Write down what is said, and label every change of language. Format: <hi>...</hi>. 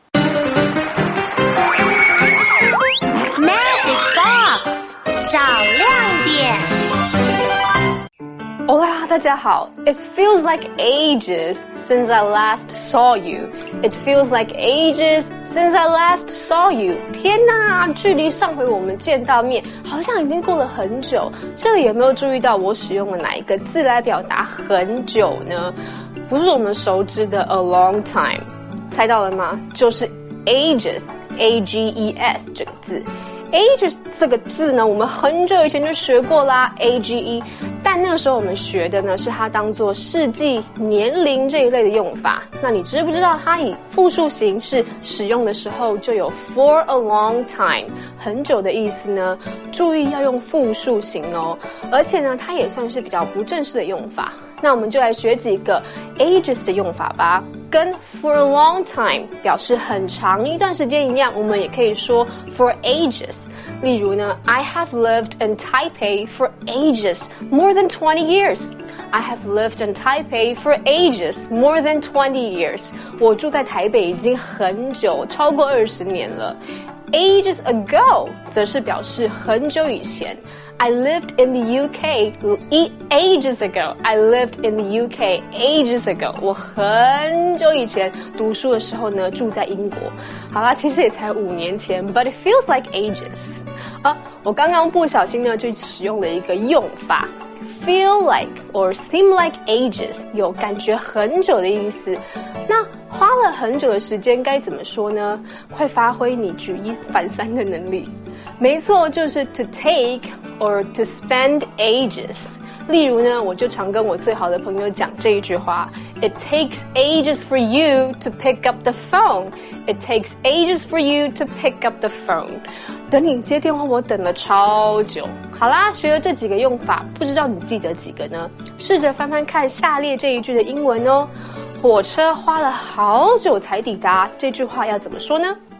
<en>Magic box.</en> <zh>找亮点。Hola, 大家好。</zh> <en>It feels like ages since I last saw you. It feels like ages since I last saw you.</en> <zh>天哪，距离上回我们见到面好像已经过了很久。这里有没有注意到我使用了哪一个字来表达很久呢？不是我们熟知的</zh> <en>a long time。</en> <zh>猜到了吗？就是 ages, A-G-E-S 这个字。 Ages 这个字呢，我们很久以前就学过啦 ，age。但那个时候我们学的呢，是它当作世纪、年龄这一类的用法。那你知不知道它以复数形式使用的时候，就有</zh> <en>for a long time</en> <zh>很久的意思呢？注意要用复数形哦，而且呢，它也算是比较不正式的用法。那我们就来学几个 ages 的用法吧。跟</zh> <en>for a long time</en> <zh>表示很长一段时间一样，我们也可以说</zh> <en>for ages。</en> <zh>例如呢</zh> <en>，I have lived in Taipei for ages, more than 20 years. I have lived in Taipei for ages, more than 20 years.</en> <zh>我住在台北已经很久，超过二十年了。 Ages ago 则是表示很久以前。</zh> <en>I lived in the UK ages ago. I lived in the UK ages ago.</en> <zh>我很久以前读书的时候呢，住在英国。好啦，其实也才五年前 ，</zh> <en>but it feels like ages.</en> <zh>啊，我刚刚不小心呢，就使用了一个用法 ，</zh> <en>feel like or seem like ages，</en> <zh>有感觉很久的意思。那花了很久的时间该怎么说呢？快发挥你举一反三的能力。没错，就是</zh> <en>to take or to spend ages。</en> <zh>例如呢，我就常跟我最好的朋友讲这一句话 ：</zh> <en>It takes ages for you to pick up the phone. It takes ages for you to pick up the phone.</en> <zh>等你接电话，我等了超久。好啦，学了这几个用法，不知道你记得几个呢？试着翻翻看下列这一句的英文哦。火车花了好久才抵达，这句话要怎么说呢</zh>